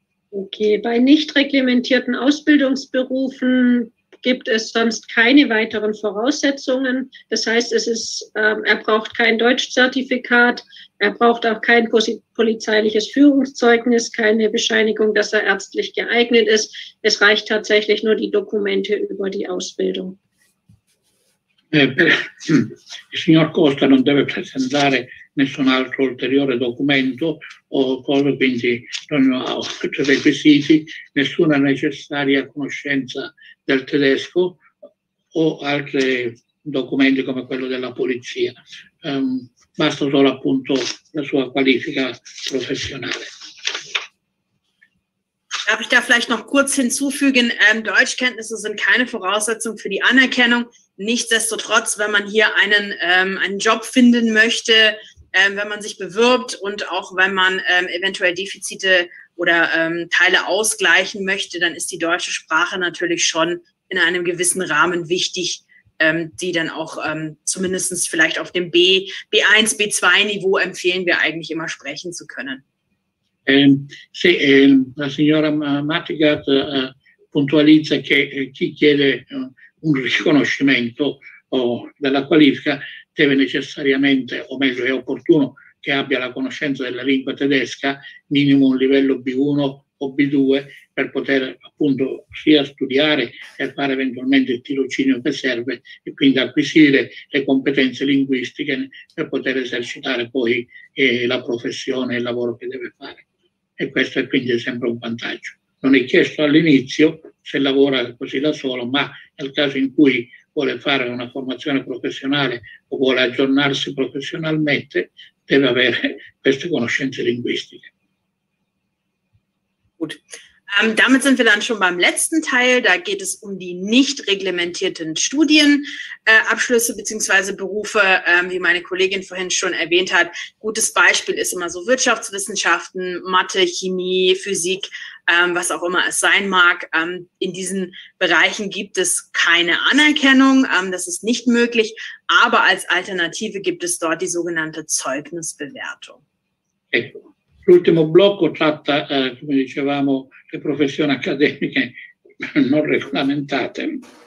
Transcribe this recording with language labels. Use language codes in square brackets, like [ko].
[de] Okay, bei nicht reglementierten Ausbildungsberufen gibt es sonst keine weiteren Voraussetzungen. Das heißt, es ist, er braucht kein Deutschzertifikat, er braucht auch kein polizeiliches Führungszeugnis, keine Bescheinigung, dass er ärztlich geeignet ist. Es reicht tatsächlich nur die Dokumente über die Ausbildung. [it] Il signor Costa non deve presentare nessun altro ulteriore documento o cose, quindi non ha requisiti, nessuna necessaria conoscenza del tedesco o altri documenti come quello della polizia. Basta solo appunto la sua qualifica professionale. [de] Darf ich da vielleicht noch kurz hinzufügen? Deutschkenntnisse sind keine Voraussetzung für die Anerkennung. Nichtsdestotrotz, wenn man hier einen Job finden möchte, wenn man sich bewirbt und auch wenn man eventuell Defizite oder Teile ausgleichen möchte, dann ist die deutsche Sprache natürlich schon in einem gewissen Rahmen wichtig, die dann auch zumindest vielleicht auf dem B1, B2-Niveau empfehlen wir eigentlich immer sprechen zu können. [it] Sì, la signora Mattigat puntualizza che chi chiede un riconoscimento della qualifica deve necessariamente, o meglio è opportuno, che abbia la conoscenza della lingua tedesca, minimo un livello B1 o B2, per poter appunto sia studiare e fare eventualmente il tirocinio che serve e quindi acquisire le competenze linguistiche per poter esercitare poi la professione e il lavoro che deve fare. E questo è quindi sempre un vantaggio. Non è chiesto all'inizio se lavora così da solo, ma nel caso in cui vuole fare una formazione professionale o vuole aggiornarsi professionalmente, deve avere queste conoscenze linguistiche. [de] Gut. Damit sind wir dann schon beim letzten Teil. Da geht es um die nicht reglementierten Studienabschlüsse beziehungsweise Berufe, wie meine Kollegin vorhin schon erwähnt hat. Gutes Beispiel ist immer so Wirtschaftswissenschaften, Mathe, Chemie, Physik, was auch immer es sein mag. In diesen Bereichen gibt es keine Anerkennung. Das ist nicht möglich. Aber als Alternative gibt es dort die sogenannte Zeugnisbewertung. [it] L'ultimo blocco tratta, come dicevamo, le professioni accademiche non regolamentate.